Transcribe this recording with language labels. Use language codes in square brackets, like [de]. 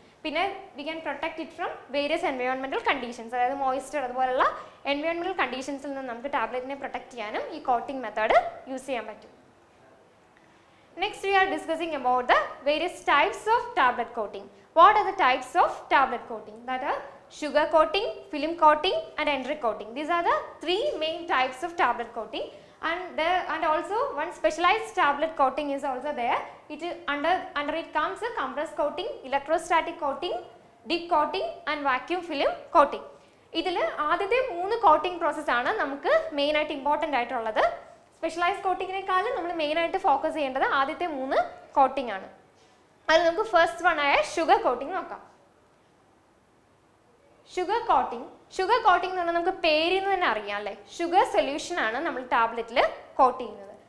[ml] പിന്നെ [en] we can protect it from various environmental conditions, [ml] അതായത് moisture അതുപോലുള്ള എൻവയോൺമെൻറ്റൽ കണ്ടീഷൻസിൽ നിന്ന് നമുക്ക് ടാബ്ലറ്റിനെ പ്രൊട്ടക്ട് ചെയ്യാനും ഈ കോട്ടിംഗ് മെത്തേഡ് യൂസ് ചെയ്യാൻ പറ്റും. [en] Next, we are discussing about the various types of tablet coating. What are the types of tablet coating? That are sugar coating, film coating and entry coating. These are the three main types of tablet coating. And also one specialized tablet coating is also there. It comes a compressed coating, electrostatic coating, deep coating and vacuum film coating. [ml] ഇതിൽ ആദ്യത്തെ മൂന്ന് coating പ്രോസസ്സാണ് നമുക്ക് മെയിനായിട്ട് important ആയിട്ടുള്ളത്. Specialised കോട്ടിങ്ങിനേക്കാളും നമ്മൾ മെയിനായിട്ട് focus ചെയ്യേണ്ടത് ആദ്യത്തെ മൂന്ന് കോട്ടിംഗ് ആണ്. അത് നമുക്ക് ഫസ്റ്റ് വൺ ആയ ഷുഗർ കോട്ടിംഗ് നോക്കാം. ഷുഗർ കോട്ടിംഗ്, ഷുഗർ കോട്ടിംഗ് എന്ന് പറഞ്ഞാൽ നമുക്ക് പേരിൽ നിന്ന് തന്നെ അറിയാം അല്ലേ, ഷുഗർ സൊല്യൂഷൻ ആണ് നമ്മൾ ടാബ്ലറ്റിൽ കോട്ട് ചെയ്യുന്നത്.